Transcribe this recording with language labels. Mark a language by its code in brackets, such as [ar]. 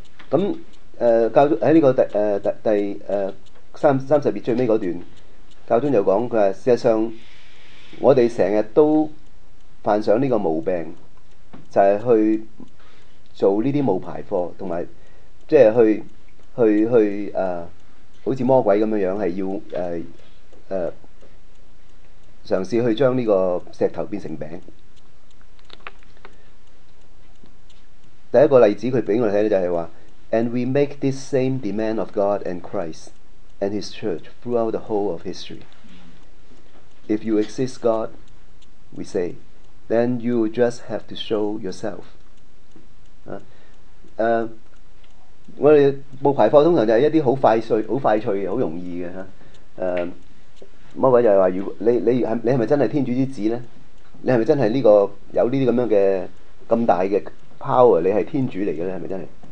[yue] 咁教喺呢個第三十頁最尾嗰段，教宗就講，佢話事實上我哋成日都犯上呢個毛病，就係去做呢啲冇牌貨，同埋即係去好似魔鬼咁樣樣，係要嘗試去將呢個石頭變成餅。第一個例子佢俾我睇咧，就係話。 [en] And we make this same demand of God and Christ and His Church throughout the whole of history. If you exist, God, we say, then you just have to show yourself. [yue] 我哋冇排貨通常就係一啲好快脆、好快脆、好容易嘅嚇。魔鬼就係話：如果你係咪真係天主之子咧？你係咪真係呢個有呢啲咁樣嘅咁大嘅 power？ 你係天主嚟嘅咧？係咪真係？